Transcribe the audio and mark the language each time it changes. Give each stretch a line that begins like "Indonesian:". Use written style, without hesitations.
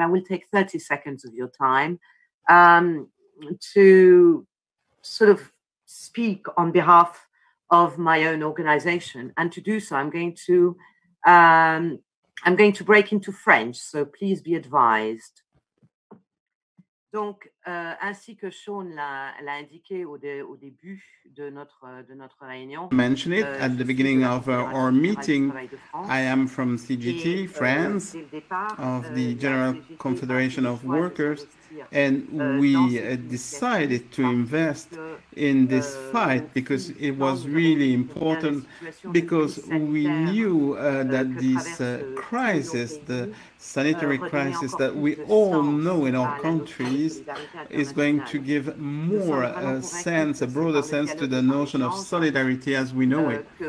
English: I will take 30 seconds of your time to sort of speak on behalf of my own organization. And to do so, I'm going to break into French, so please be advised.
French: Donc, ainsi que Sean l'a indiqué au début de notre réunion.
English: Mention it at the beginning of our meeting. I am from CGT, France, of the General Confederation of Workers, and we decided to invest in this fight because it was really important, because we knew that this crisis, the sanitary crisis that we all know in our countries, is going to give more sense, a broader sense to the notion of solidarity as we know it.